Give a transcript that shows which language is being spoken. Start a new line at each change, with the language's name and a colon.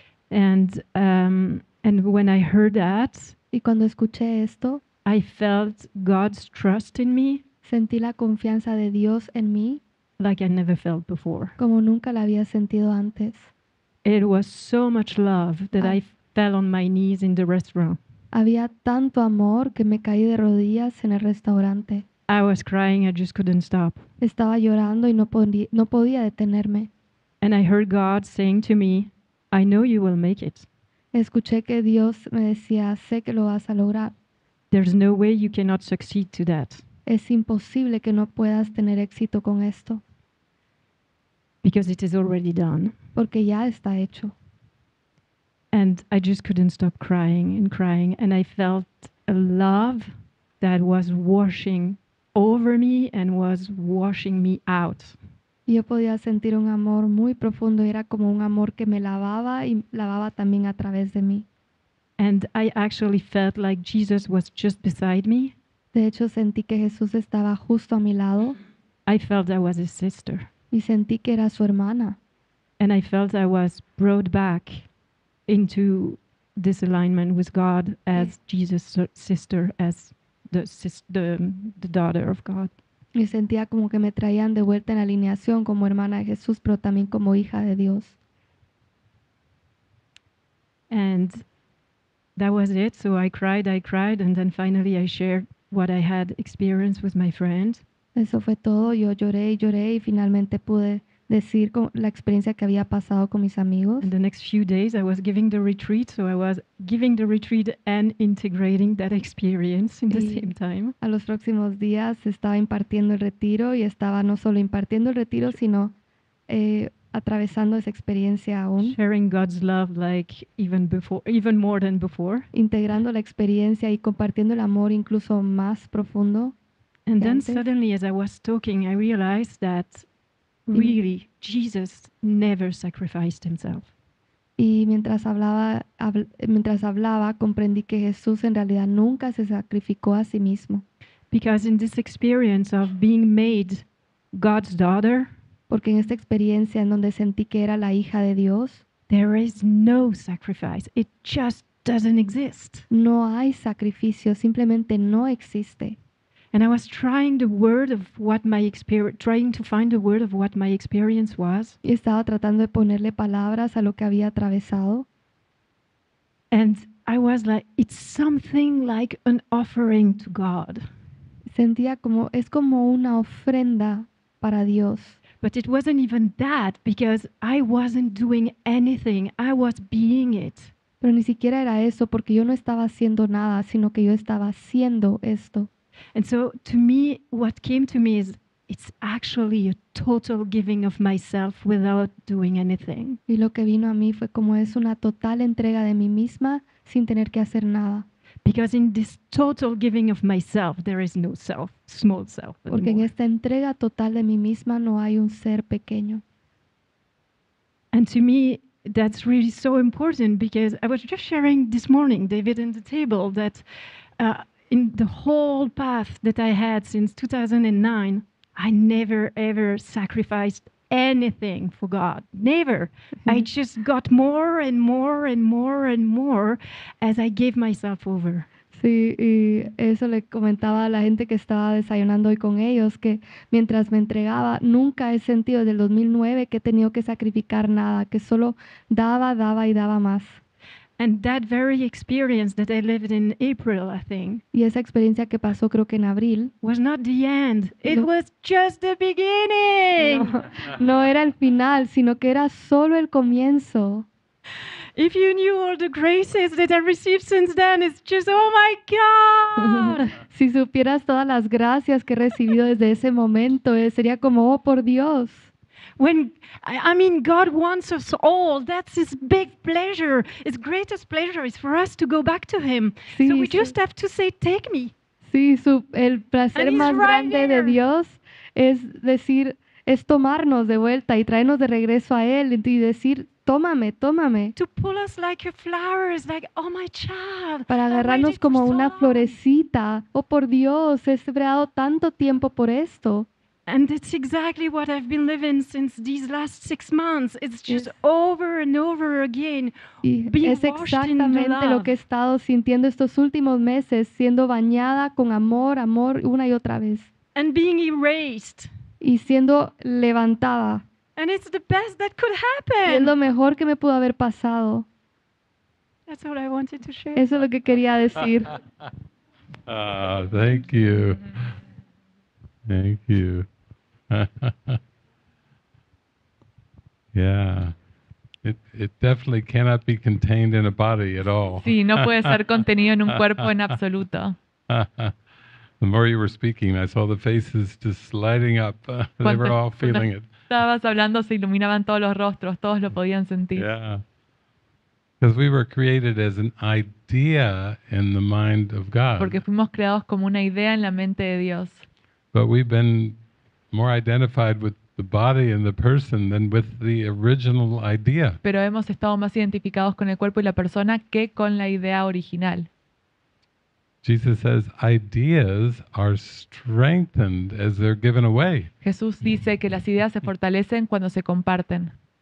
English: And when I heard that...
Spanish: Y cuando escuché esto,
English: I felt God's trust in me.
Spanish: Sentí la confianza de Dios en mí.
English: Like I never felt before.
Spanish: Como nunca la había sentido antes.
English: It was so much love that I fell on my knees in the restaurant.
Spanish: Había tanto amor que me caí de rodillas en el restaurante.
English: I was crying, I just couldn't stop.
Spanish: Estaba llorando y no podía detenerme.
English: And I heard God saying to me, I know you will make it.
Spanish: Escuché que Dios me decía, sé que lo vas a lograr.
English: There's no way you cannot succeed to that.
Spanish: Es imposible que no puedas tener éxito con esto.
English: Because it is already done.
Spanish: Porque ya está hecho.
English: And I just couldn't stop crying and crying. And I felt a love that was washing over me and was washing me out.
Spanish: Yo podía sentir un amor muy profundo. Era como un amor que me lavaba y lavaba también a través de mí.
English: And I actually felt like Jesus was just beside me.
Spanish: De hecho, sentí que Jesús estaba justo a mi lado.
English: I felt I was his sister.
Spanish: Y sentí que era su hermana.
English: And I felt I was brought back into this alignment with God as Jesus' sister, as the daughter of God.
Spanish: Y sentía como que me traían de vuelta en alineación como hermana de Jesús, pero también como hija de Dios.
English: And that was it. So I cried, and then finally I shared what I had experienced with my friend.
Spanish: Eso fue todo. Yo lloré y finalmente pude decir la experiencia que había pasado con mis amigos.
English: And the next few days I was giving the retreat, so I was giving the retreat and integrating that experience in the same time.
Spanish: A los próximos días estaba impartiendo el retiro y estaba no solo impartiendo el retiro, sino atravesando esa experiencia aún.
English: Sharing God's love like even more than before.
Spanish: Integrando la experiencia y compartiendo el amor incluso más profundo.
English: And then suddenly as I was talking, I realized that really, Jesus never sacrificed himself.
Spanish: Y mientras hablaba, comprendí que Jesús en realidad nunca se sacrificó a sí mismo.
English: Because in this experience of being made God's daughter,
Spanish: porque en esta experiencia en donde sentí que era la hija de Dios,
English: there is no sacrifice. It just doesn't exist.
Spanish: No hay sacrificio, simplemente no existe.
English: And I was trying the word of what my experience, trying to find the word of what my experience was.
Spanish: Y estaba tratando de ponerle palabras a lo que había atravesado.
English: And I was like, it's something like an offering to God.
Spanish: Sentía como, es como una ofrenda para Dios.
English: But it wasn't even that, because I wasn't doing anything. I was being it.
Spanish: Pero ni siquiera era eso, porque yo no estaba haciendo nada, sino que yo estaba haciendo esto.
English: And so to me, what came to me is, it's actually a total giving of myself without doing anything.
Spanish: Y lo que vino a mí fue como es una total entrega de mí misma sin tener que hacer nada.
English: Because in this total giving of myself, there is no self, small self anymore.
Spanish: Porque en esta entrega total de mí misma no hay un ser pequeño.
English: And to me, that's really so important, because I was just sharing this morning, David, at the table, that in the whole path that I had since 2009, I never ever sacrificed anything for God. Never. I just got more and more and more and more as I gave myself over.
Spanish: Sí, y eso le comentaba a la gente que estaba desayunando hoy con ellos, que mientras me entregaba, nunca he sentido desde el 2009 que he tenido que sacrificar nada, que solo daba, daba y daba más.
English: And that very experience that I lived in April, I think.
Spanish: Y esa experiencia que pasó creo que en abril.
English: Was not the end. It was just the beginning.
Spanish: No era el final, sino que era solo el comienzo.
English: If you knew all the graces that I received since then, it's just, oh my God.
Spanish: Si supieras todas las gracias que he recibido desde ese momento, sería como, oh por Dios.
English: When I mean God wants us all, that's his big pleasure. His greatest pleasure is for us to go back to him.
Spanish: Sí,
English: so we just have to say, take me.
Spanish: Sí, el placer más grande de Dios es decir, es tomarnos de vuelta y traernos de regreso a él y decir, tómame, tómame.
English: To pull us like your flowers, like, oh my child.
Spanish: Para agarrarnos como una florecita. Oh por Dios, he esperado tanto tiempo por esto.
English: And it's exactly what I've been living since these last 6 months. It's just over and over again.
Spanish: Being es exactamente lo que he estado sintiendo estos últimos meses, siendo bañada con amor, amor, una y otra vez.
English: And being erased.
Spanish: Y siendo levantada.
English: And it's the best that could happen.
Spanish: Es lo mejor que me pudo haber pasado.
English: That's what I wanted to share.
Spanish: Eso es lo que quería decir.
English: Ah, thank you. Thank you. Yeah. It definitely cannot be contained in a body at all.
Spanish: Sí, no puede ser contenido en un cuerpo en absoluto.
English: The more you were speaking, I saw the faces just lighting up. They were all feeling it.
Spanish: Estabas hablando, se iluminaban todos los rostros, todos lo podían sentir.
English: Yeah. Because we were created as an idea in the mind of God.
Spanish: Porque fuimos creados como una idea en la mente de Dios.
English: But we've been more identified with the body and the person than with the original idea.
Spanish: Pero hemos estado más identificados con el cuerpo y la persona que con la idea original.
English: Jesus says ideas are strengthened as they're given away.
Spanish: Jesús dice que las ideas se fortalecen cuando se comparten.